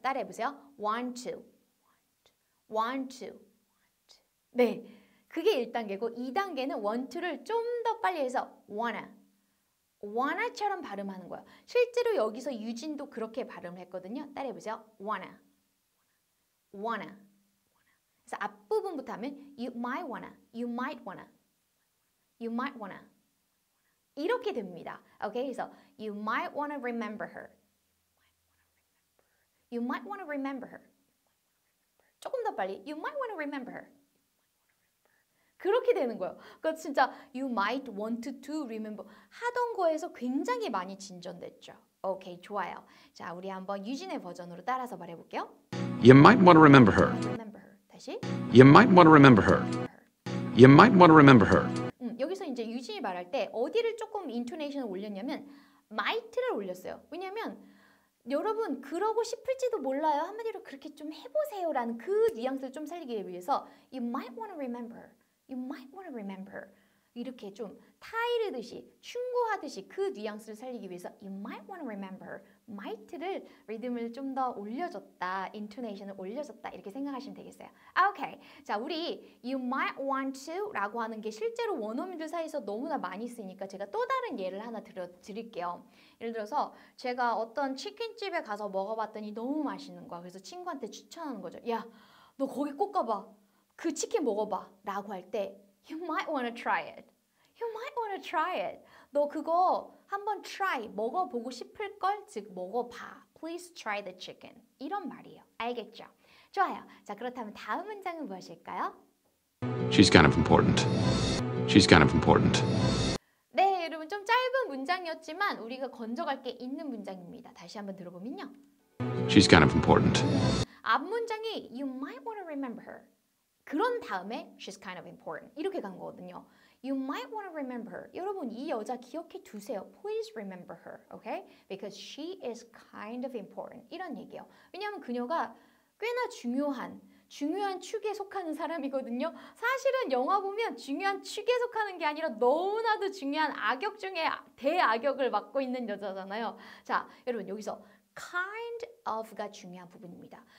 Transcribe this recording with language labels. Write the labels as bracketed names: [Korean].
[Korean] 따라해 보세요. [English] want to. want to. want to. 네. [Korean] 그게 1단계고 2단계는 want to를 좀 더 빨리 해서 wanna. wanna처럼 발음하는 거예요. 실제로 여기서 유진도 그렇게 발음을 했거든요. 따라해 보세요. wanna. wanna. 그래서 앞부분부터 하면 [English] you might wanna, you might wanna, you might wanna. [Korean] 이렇게 됩니다. [English] Okay, [Korean] 그래서 [English] you might wanna remember her. You might wanna remember her. [Korean] 조금 더 빨리 [English] you might wanna remember her. [Korean] 그렇게 되는 거예요. 그러니까 진짜 you might want to remember 하던 거에서 굉장히 많이 진전됐죠. Okay, 좋아요. 자, 우리 한번 유진의 버전으로 따라서 말해볼게요. [English] You might want to remember her. Remember her. [Korean] 다시. [English] You might want to remember her. You might want to remember her. [Korean] 여기서 이제 유진이 말할 때 어디를 조금 인토네이션을 올렸냐면 might를 올렸어요. 왜냐면 여러분 그러고 싶을지도 몰라요. 한마디로 그렇게 좀 해보세요라는 그 뉘앙스를 좀 살리기 위해서 [English] You might want to remember her. You might want to remember her. [Korean] 이렇게 좀 타이르듯이 충고하듯이 그 뉘앙스를 살리기 위해서 [English] You might want to remember her. [Korean] Might를 리듬을 좀 더 올려줬다. Intonation을 올려줬다. 이렇게 생각하시면 되겠어요. [English] Okay. [Korean] 자, 우리 You might want to 라고 하는 게 실제로 원어민들 사이에서 너무나 많이 쓰이니까 제가 또 다른 예를 하나 드릴게요. 예를 들어서 제가 어떤 치킨집에 가서 먹어봤더니 너무 맛있는 거야. 그래서 친구한테 추천하는 거죠. 야, 너 거기 꼭 가봐. 그 치킨 먹어봐. 라고 할 때 [English] You might want to try it. You might want to try it. [Korean] 너 그거 한번 try, 먹어보고 싶을 걸, 즉 먹어봐. [English] Please try the chicken. [Korean] 이런 말이에요. 알겠죠? 좋아요. 자, 그렇다면 다음 문장은 무엇일까요? [English] She's kind of important. She's kind of important. [Korean] 네, 여러분 좀 짧은 문장이었지만 우리가 건져갈 게 있는 문장입니다. 다시 한번 들어보면요. [English] She's kind of important. [Korean] 앞 문장이 [English] You might want to remember her. [Korean] 그런 다음에 [English] She's kind of important. [Korean] 이렇게 간 거거든요. [English] You might want to remember her. [Korean] 여러분, 이 여자 기억해 두세요. [English] Please remember her, okay? Because she is kind of important. [Korean] 이런 얘기예요. 왜냐하면 그녀가 꽤나 중요한 축에 속하는 사람이거든요. 사실은 영화 보면 중요한 축에 속하는 게 아니라 너무나도 중요한 악역 중에 대악역을 맡고 있는 여자잖아요. 자, 여러분 여기서 kind of가 중요한 부분입니다.